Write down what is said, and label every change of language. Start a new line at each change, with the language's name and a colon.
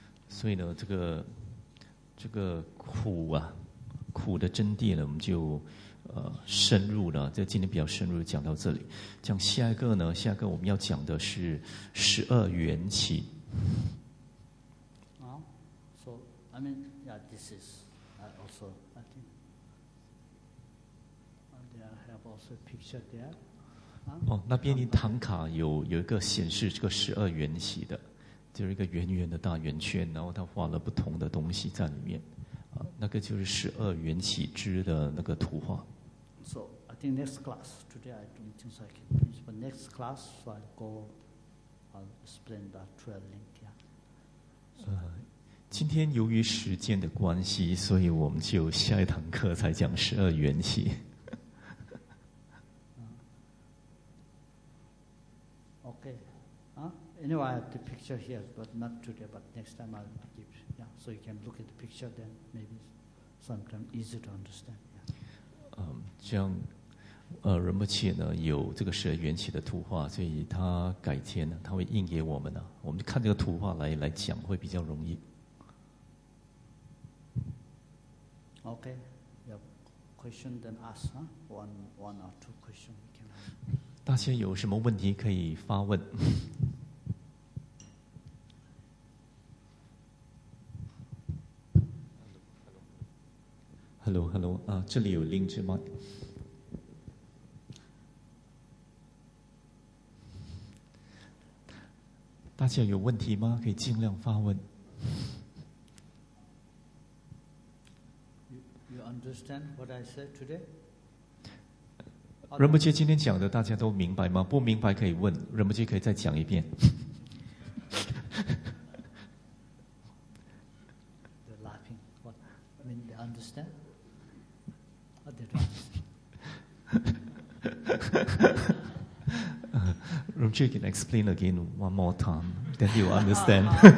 Chinese: 所以呢，这个苦啊，苦的真谛呢，我们就。深入呢，这今天比较深入讲到这里，讲下一个呢，下一个我们要讲的是十二缘起。
English: So I mean, yeah, this is also I think they have also picture there.
Chinese: 哦，那边你唐卡有一个显示这个十二缘起的，就是一个圆圆的大圆圈，然后他画了不同的东西在里面，啊，那个就是十二缘起之的那个图画。
English: So I think next class today I don't think so I can finish, but next class so I'll explain that trail link. Yeah.
Chinese: So, 今天由于时间的关系，所以我们就下一堂课才讲十二缘起。
English: Okay. Anyway, I have the picture here, but not today, but next time I'll give. Yeah. So you can look at the picture, then maybe sometime easier to understand. Yeah.
Chinese: 这样，仁波切呢有这个十二缘起的图画，所以他改天呢他会印给我们的，我们就看这个图画来讲会比较容易。
English: Okay, you have question then ask, huh? One or two question. Can...
Chinese: 大家有什么问题可以发问？
English: Hello,
Chinese: 啊，这里有另一支麦。大家有问题吗？可以尽量发问。
English: You understand what I said today?
Chinese: 仁波切今天讲的大家都明白吗？不明白可以问，仁波切可以再讲一遍。
English: They're laughing. What? I mean, they understand? Oh, they don't understand. Jay can explain again one more time, then you'll understand.